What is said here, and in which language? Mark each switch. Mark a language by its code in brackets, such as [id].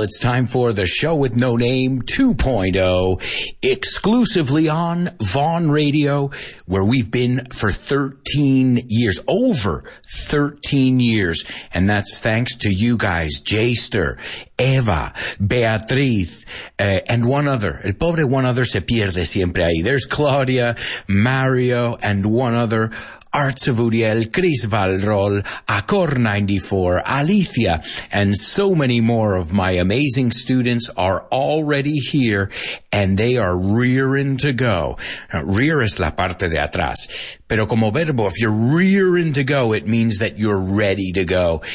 [en] It's time for the show with no name 2.0, exclusively on Vaughn Radio, where we've been for 13 years, over 13 years. And that's thanks to you guys, Jester, Eva, Beatriz, and one other. [es] El pobre [en] one other [es] se pierde siempre ahí. [en] There's Claudia, Mario, and one other. Art Savudiel, Chris Valrol, Accor 94, Alicia, and so many more of my amazing students are already here, and they are rearing to go. [es] Rear es la parte de atrás. Pero como verbo, [en] if you're rearing to go, it means that you're ready to go.